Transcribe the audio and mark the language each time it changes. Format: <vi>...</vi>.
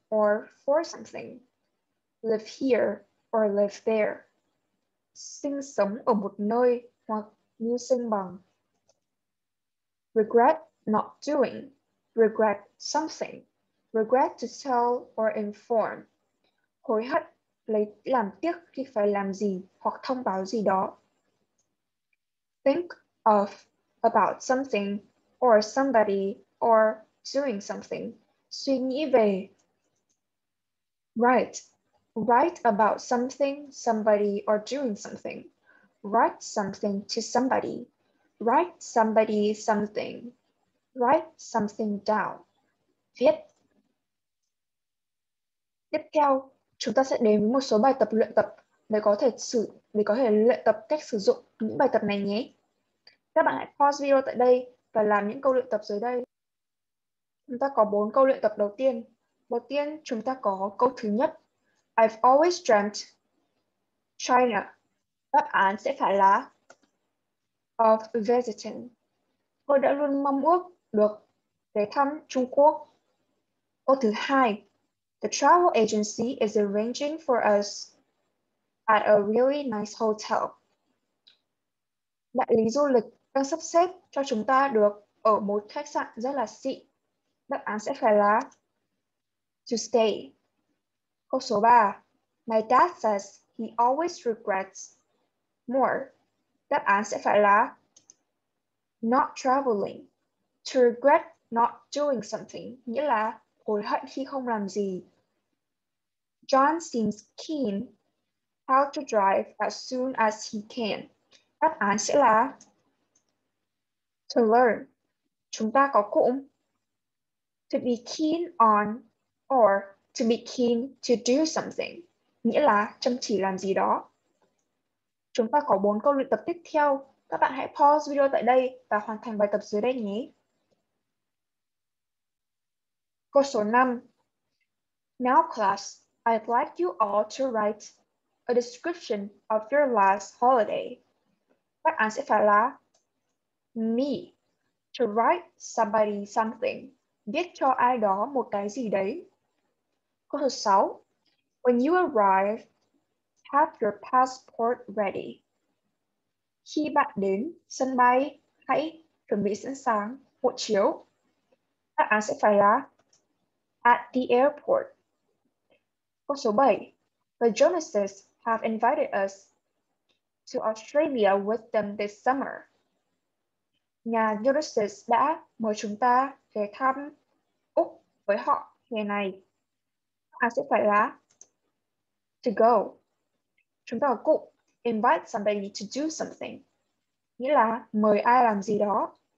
<en>Or for something, live here or live there.</en> <vi>Sinh sống ở một nơi hoặc như sinh bằng.</vi> <en>Regret not doing, regret something, regret to tell or inform.</en> <vi>Hối hận, lấy làm tiếc khi phải làm gì hoặc thông báo gì đó.</vi> <en>Think of, about something or somebody or doing something.</en> <vi>Suy nghĩ về. Write.</vi> <en>Write about something, somebody, or doing something. Write something to somebody. Write somebody something. Write something down. Viết.</en> <vi>Tiếp theo, chúng ta sẽ đến với một số bài tập luyện tập để có thể luyện tập cách sử dụng những bài tập này nhé. Các bạn hãy pause video tại đây và làm những câu luyện tập dưới đây. Chúng ta có 4 câu luyện tập đầu tiên. Đầu tiên, chúng ta có câu thứ nhất.</vi> <en>I've always dreamt China.</en> <vi>Đáp án sẽ phải là</vi> <en>of visiting.</en> <vi>Tôi đã luôn mong ước được ghé thăm Trung Quốc. Câu thứ hai.</vi> <en>The travel agency is arranging for us at a really nice hotel.</en> <vi>Đại lý du lịch đang sắp xếp cho chúng ta được ở một khách sạn rất là xịn. Đáp án sẽ phải là</vi> <en>to stay.</en> <vi>Câu số 3.</vi> <en>My dad says he always regrets more.</en> <vi>Đáp án sẽ phải là</vi> <en>not traveling. To regret not doing something,</en> <vi>nghĩa là hối hận khi không làm gì.</vi> <en>John seems keen how to drive as soon as he can.</en> <vi>Đáp án sẽ là</vi> <en>to learn.</en> <vi>Chúng ta có cụm</vi> <en>to be keen on or to be keen to do something,</en> <vi>nghĩa là chăm chỉ làm gì đó. Chúng ta có 4 câu luyện tập tiếp theo. Các bạn hãy pause video tại đây và hoàn thành bài tập dưới đây nhé. Câu số 5.</vi> <en>Now class, I'd like you all to write a description of your last holiday.</en> <vi>Các bạn sẽ phải là me,</vi> <en>to write somebody something.</en> <vi>Viết cho ai đó một cái gì đấy. Câu thứ 6.</vi> <en>When you arrive, have your passport ready.</en> <vi>Khi bạn đến sân bay, hãy chuẩn bị sẵn sàng hộ chiếu. Đáp án sẽ phải là</vi> <en>at the airport.</en> <vi>Câu số 7.</vi> <en>The journalists have invited us to Australia with them this summer.</en> <vi>Nhà journalists đã mời chúng ta về thăm Úc với họ hè này. Đáp án sẽ phải là</vi> <en>to go.</en> <vi>Chúng ta có cụm</vi> <en>invite somebody to do something,</en> <vi>nghĩa là mời ai làm gì đó.</vi>